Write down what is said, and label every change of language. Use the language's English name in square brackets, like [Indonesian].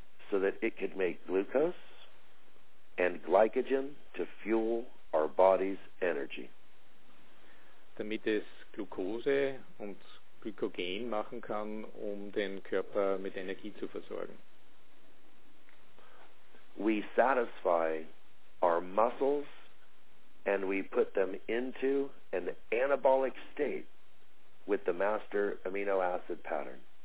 [English] So that it could make glucose and glycogen to fuel our body's energy. [German] Damit es Glucose und Glykogen machen kann, um den Körper mit Energie zu versorgen. [English] We satisfy our muscles and we put them into an anabolic state with the master amino acid pattern.